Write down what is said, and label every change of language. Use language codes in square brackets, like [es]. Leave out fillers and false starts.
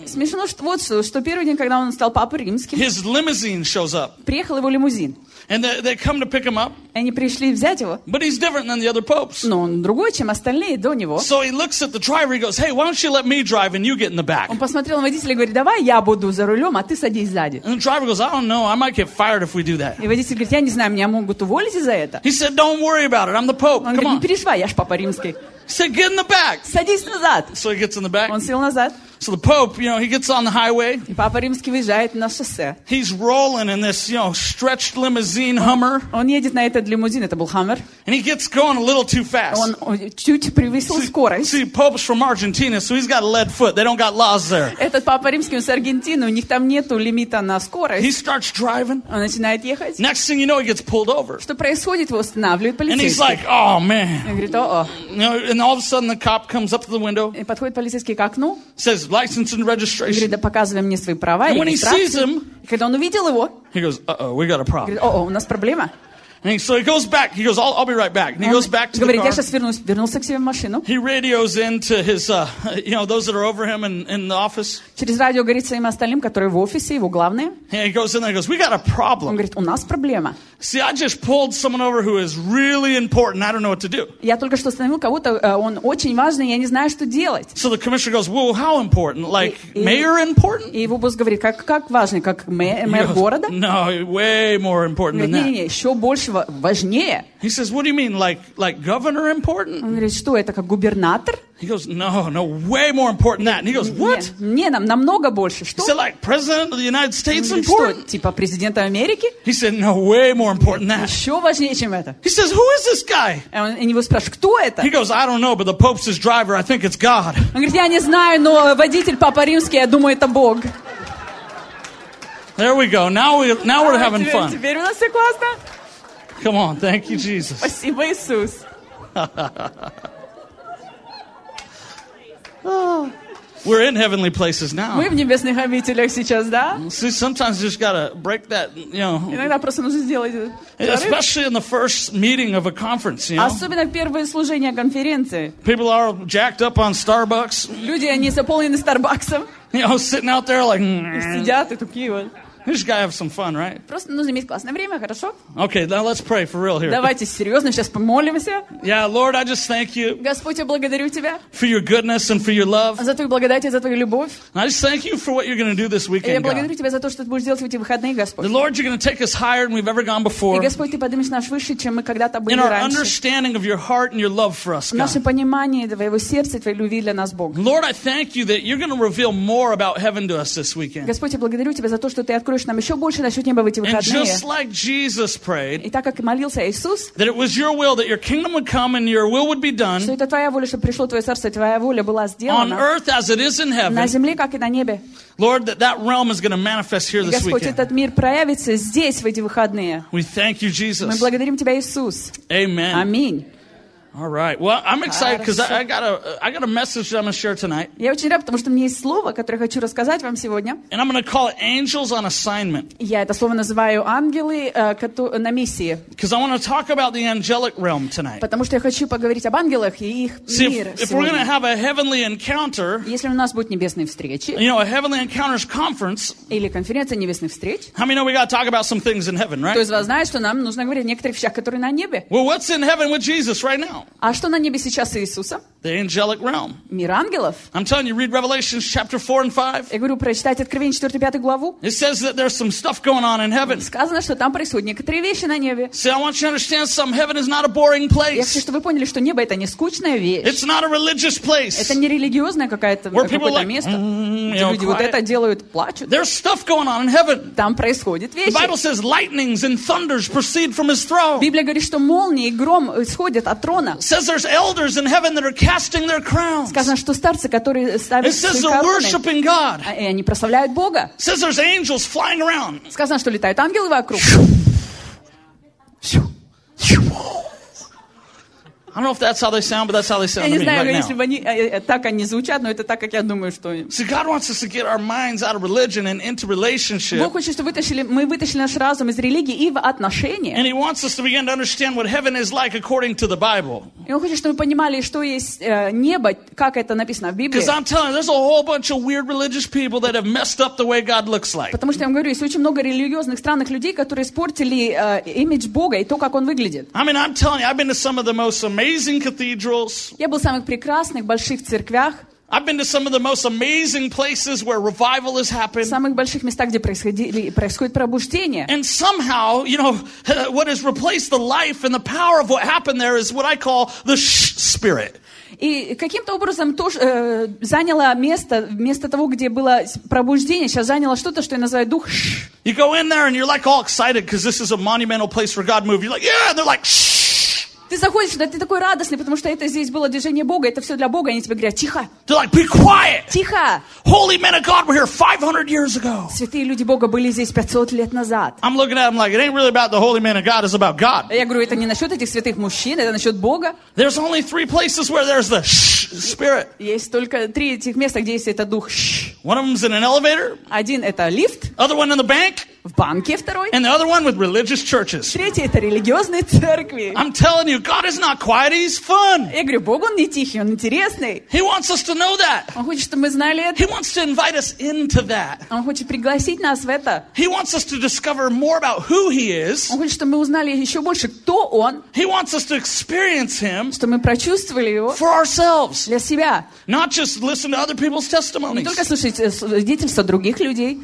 [ru] Смешно, что вот что первый день, когда он стал папой римским. [en] His limousine shows up. [ru] Приехал его лимузин. [en] And they come to pick him up. [ru] Они пришли взять его. [en] But he's different than the other popes. [ru] Но он другой, чем остальные до него. [en] So he looks at the driver. He goes, "Hey, why don't you let me drive and you get in the back?" [ru] Он посмотрел на водителя и говорит, "Давай, я буду за рулем, а ты садись сзади." [en] And the driver goes, "I don't know. I might get fired if we do that." [ru] И водитель говорит, "Я не знаю, меня могут уволить за это." [en] He said, "Don't worry about it. I'm the pope. Come on." [ru] Он говорит, "Не переживай, я ж папа римский." [en] He said, "Get in the back." [ru] Садись назад. [en] So he gets in the back. [ru] Он сел назад. [en] So the Pope, you know, he gets on the highway. [ru] И папа римский выезжает на шоссе. [en] He's rolling in this, you know, stretched limousine Hummer. [ru] Он едет на этот лимузин, это был Hummer. [en] And he gets going a little too fast. [ru] Он чуть превысил скорость. [en] See, Pope's from Argentina, so he's got a lead foot. They don't got laws there. [ru] Этот папа римский, он с Аргентины, у них там нету лимита на скорость. [en] He starts driving. [ru] Он начинает ехать. [en] Next thing you know, he gets pulled over. [ru] Что происходит, его останавливают полицейские. [en] And he's like, oh man. [ru] Он говорит, о-о. [en] And all of a sudden, the cop comes up to the window. [ru] И подходит полицейский к окну. [en] Says, license and registration. [ru] Говорит, да показывай мне свои права. [en] And when he sees him, [ru] когда он увидел его, [en] he goes, uh-oh, we got a problem. [ru] Говорит, о-о, у нас проблема. [en] And so he goes back. He goes, I'll be right back. And he goes back to [ru] говорит, [en] the car. [ru] Говорит, я сейчас вернусь. Вернулся к себе в машину. [en] He radios into his, you know, those that are over him in the office. [ru] Через радио говорит своим остальным, которые в офисе, его главные. [en] And he goes in there and goes, we got a problem. [ru] Он говорит, у нас проблема. [en] See, I just pulled someone over who is really important. I don't know what to do. [ru] Я только что остановил кого-то, он очень важный, я не знаю, что делать. [en] So the commissioner goes, well, how important? Like, mayor important? [ru] И его босс говорит, как важный, как мэр города? [en] No, way more important than that. [ru] Еще больше нашего важнее. [en] He says, what do you mean, like governor important? [ru] Он говорит, что это как губернатор? [en] He goes, no, way more important than that. And he goes, what? [ru] Не, нам намного больше. Что? [en] He said, like president of the United States important? [ru] Что, типа президента Америки? [en] He said, no, way more important than that. [ru] Еще важнее, чем это. [en] He says, who is this guy? [ru] И он его спрашивает, кто это? [en] He goes, I don't know, but the Pope's his driver. I think it's God. [ru] Он говорит, я не знаю, но водитель Папа Римский, я думаю, это Бог. [en] There we go. Now we're having fun. [ru] Теперь у нас все классно. [en] Come on, thank you, Jesus. [ru] Спасибо, Иисус. [en] We're in heavenly places now. [ru] Мы в небесных обителях сейчас, да? [en] See, sometimes you just gotta break that, you know. [ru] Иногда просто нужно сделать. [en] Especially in the first meeting of a conference, you know. [ru] Особенно в первое служение конференции. [en] People are jacked up on Starbucks. [ru] Люди они заполнены Starbucks'ом. [en] You know, sitting out there like. [ru] Сидят и такие вот. [en] You just gotta have some fun, right? [ru] Просто нужно иметь классное время, хорошо? [en] Okay, now let's pray for real here. [ru] Давайте серьезно сейчас помолимся. [en] Yeah, Lord, I just thank you. [ru] Господь, я благодарю тебя. [en] For your goodness and for your love. [ru] За твою благодать и за твою любовь. [en] And I just thank you for what you're gonna do this weekend. [ru] Я благодарю тебя за то, что ты будешь делать в эти выходные, Господь. [en] The Lord, you're gonna take us higher than we've ever gone before. [ru] И Господь, ты поднимешь нас выше, чем мы когда-то были раньше. [en] In our understanding of your heart and your love for us, God. [ru] Наше понимание твоего сердца и твоей любви для нас, Бог. [en] Lord, I thank you that you're gonna reveal more about heaven to us this weekend. [ru] Господь, я благодарю тебя за то, что ты откроешь нам еще больше насчет неба в эти выходные. [en] And just like Jesus prayed, [ru] и так как молился Иисус, [en] that it was your will, that your kingdom would come and your will would be done, [ru] что это твоя воля, чтобы пришло твое царство, твоя воля была сделана [en] on earth as it is in heaven, [ru] на земле, как и на небе. [en] Lord, that realm is going to manifest here this [ru] Господь, [en] weekend. [ru] Господь, этот мир проявится здесь в эти выходные. [en] We thank you, Jesus. [ru] Мы благодарим тебя, Иисус. [en] Amen. [ru] Аминь. [en] All right. Well, I'm excited because I got a message that I'm going to share tonight. [ru] Я очень рад, потому что у меня есть слово, которое хочу рассказать вам сегодня. [en] And I'm going to call it angels on assignment. [ru] Я это слово называю ангелы на миссии. [en] Because I want to talk about the angelic realm tonight. [ru] Потому что я хочу поговорить об ангелах и их мир сегодня. [en] If we're going to have a heavenly encounter, [ru] если у нас будет небесные встречи, [en] you know, a heavenly encounters conference, [ru] или конференция небесных встреч, [en] how many know we got to talk about some things in heaven, right? [ru] Кто из вас знает, что нам нужно говорить о некоторых вещах, которые на небе? [en] Well, what's in heaven with Jesus right now? [ru] А что на небе сейчас с Иисусом? [en] The angelic realm. [ru] Мир ангелов. [en] I'm telling you, read Revelation chapter 4 and 5. [ru] Я говорю, прочитайте Откровение 4 и 5 главу. [en] It says that there's some stuff going on in heaven. [ru] Сказано, что там происходят некоторые вещи на небе. [en] See, I want you to understand some heaven is not a boring place. [ru] Я хочу, чтобы вы поняли, что небо это не скучная вещь. [en] It's not a religious place. [ru] Это не религиозное какое-то место, где люди вот это делают, плачут. [en] There's stuff going on in heaven. [ru] Там происходят вещи. [en] The Bible says lightnings and thunders proceed from his throne. [ru] Библия говорит, что молнии и гром исходят от трона. [en] Says there's elders in heaven that are casting their crowns. [ru] Сказано, что старцы, которые ставят свои короны. [en] It says they're worshiping God. [ru] И они прославляют Бога. [en] Says there's angels flying around. [ru] Сказано, что летают ангелы вокруг. [en] I don't know if that's how they sound, but that's how they sound to me [ru] знаю, [en] right [ru] если [en] now. [ru] Я не знаю, если бы они так они звучат, но это так, как я думаю, что. [en] See, God wants us to get our minds out of religion and into relationship. [ru] Бог хочет, чтобы мы вытащили наш разум из религии и в отношения. [en] And He wants us to begin to understand what heaven is like according to the Bible. [ru] И Он хочет, чтобы мы понимали, что есть небо, как это написано в Библии. [en] Because I'm telling you, there's a whole bunch of weird religious people that have messed up the way God looks like. [ru] Потому что я вам говорю, есть очень много религиозных странных людей, которые испортили имидж Бога и то, как Он выглядит. [en] I mean, I'm telling you, I've been to some of the most amazing cathedrals. [ru] Я был в самых прекрасных больших церквях. [en] I've been to some of the most amazing places where revival has happened. [ru] В самых больших местах, где происходит пробуждение. [en] And somehow, you know, what has replaced the life and the power of what happened there is what I call the spirit. [ru] И каким-то образом заняло место, вместо того, где было пробуждение, сейчас заняло что-то, что я называю дух. [en] You go in there and you're like all excited because this is a monumental place where God moved. You're like, yeah, and they're like, shh. [ru] Ты заходишь сюда, ты такой радостный, потому что это здесь было движение Бога, это все для Бога, они тебе говорят, тихо. [en] They're like, be quiet. [ru] Тихо. [en] Holy men of God were here 500 years ago. [ru] Святые люди Бога были здесь 500 лет назад. [en] I'm looking at them like, it ain't really about the holy men of God, it's about God. [ru] Я говорю, это не насчет этих святых мужчин, это насчет Бога. [en] There's only three places where there's the shh spirit. [ru] Есть только три этих места, где есть этот дух shh. [en] One of them's in an elevator. [ru] Один это лифт. [en] Other one in the bank. [ru] В банке второй. [en] And the other one with religious churches. [ru] Третий это религиозные церкви. [en] I'm telling you, God is not quiet, He's fun. [ru] Я говорю, Бог он не тихий, он интересный. [en] He wants us to know that. [ru] Он хочет, чтобы мы знали это. [en] He wants to invite us into that. [ru] Он хочет пригласить нас в это. [en] He wants us to discover more about who He is. [ru] Он хочет, чтобы мы узнали еще больше, кто он. [en] He wants us to experience Him. [ru] Чтобы мы прочувствовали его. [en] For ourselves. [ru] Для себя. [en] Not just listen to other people's testimonies. [ru] Не только слушать свидетельства других людей.